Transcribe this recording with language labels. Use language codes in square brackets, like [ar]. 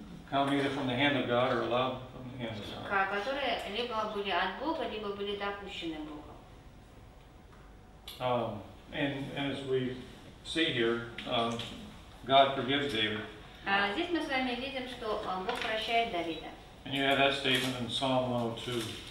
[en] Come either from the hand of God or allowed from the hand of God. [ru] Которые либо были от Бога, либо были допущены Богом. [en] And as we see here, God forgives David. [ru] Здесь мы с вами видим, что Бог прощает Давида. [en] And you have that statement in Psalm 102.